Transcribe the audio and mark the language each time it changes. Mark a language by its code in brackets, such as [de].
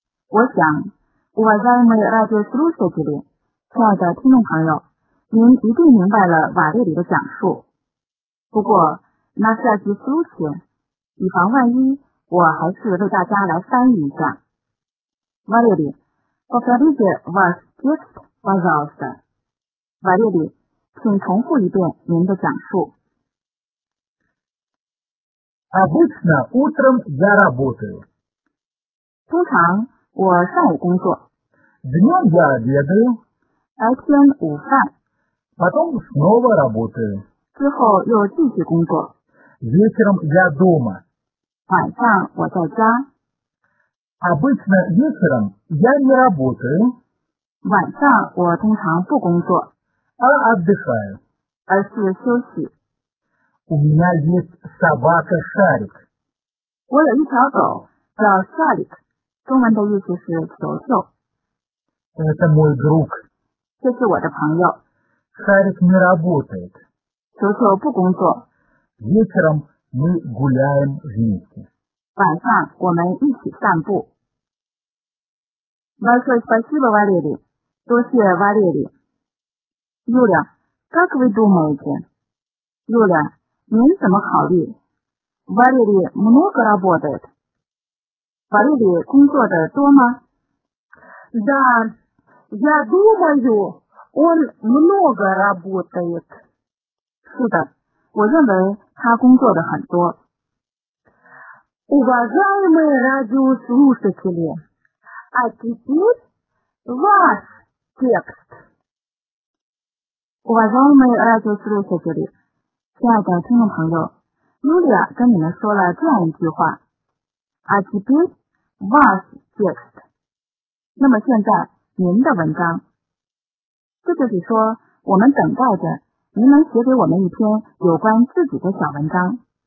[zh] 我想 , [ru] Уважаемые радиослушатели, [zh] 亲爱的听众朋友，您一定明白了瓦列里的讲述。不过那下集书写以防万一，我还是为大家来翻译一下。 [ru] 瓦列里 ,Повторите ваш текст, пожалуйста. [zh] 瓦列里，请重复一遍您的讲述。 [ru] Обычно утром я работаю. [zh] 通常我上午工作。 [ru] Днем я обедаю. [zh] 白天午饭。 [ru] Потом снова работаю. [zh] 之后又继续工作。 [ru] Вечером я дома. [zh] 晚上我在家。 [ru] Обычно вечером я не работаю. [zh] 晚上我通常不工作。 [ru] А отдыхаю. [zh] 而是休息。 [ru] У меня есть собака Шарик. [zh] 我有一条狗叫 Шарик。中文的意思是球球。 [ru] Это мой друг. [zh] 这是我的朋友。 [ru] Шарик не работает. [zh] 球球不工作。 [ru] Вечером мы гуляем вместе. [zh] 晚上我们一起散步。 [ru] Большое спасибо, Валерий. [zh] 多谢 [ru] Валерий. Юля, как вы думаете? [zh] Юля, 您怎么考虑? [ru] Валерий много работает? [zh] 瓦列里工作的多吗? [ru] Да, я думаю, он много работает. [zh] 是的,我认为他工作的很多。 [ru] Уважаемые радиослушатели, а теперь ваш текст. Уважаемые радиослушатели, [zh] 亲爱的听众朋友, Юлия 跟你们说了这样一句话。 [ru] А теперь? Ваш текст. [zh] 那么现在您的文章。这就是说我们等待着您能写给我们一篇有关自己的小文章。